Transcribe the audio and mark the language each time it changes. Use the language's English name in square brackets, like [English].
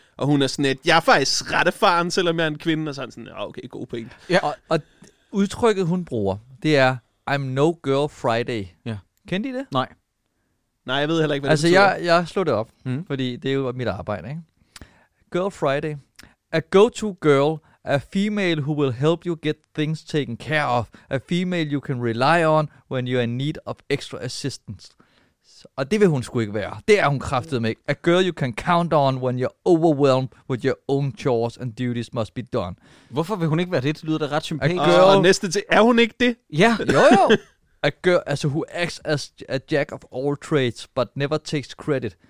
[Danish] Og hun er sådan et, jeg er faktisk ret erfaren, selvom jeg er en kvinde. Og så er han sådan, okay, god point. Ja. Og udtrykket, hun bruger, det er, [English] I'm no girl Friday. [Danish] Ja. Kendte I det? Nej. Nej, jeg ved heller ikke, hvad altså, det betyder. Altså, jeg slog det op, fordi det er jo mit arbejde, ikke? [English] Girl Friday. A go-to girl... A female who will help you get things taken care of. A female you can rely on when you are in need of extra assistance. [Danish] Og det vil hun sgu ikke være. Det er hun kraftedeme ikke. [English] A girl you can count on when you're overwhelmed with your own chores and duties must be done. [Danish] Hvorfor vil hun ikke være det? Det lyder da ret sympatisk. [English] Girl... [Danish] Og næste til, er hun ikke det? Ja, jo. [English] A girl altså, who acts as a jack of all trades but never takes credit.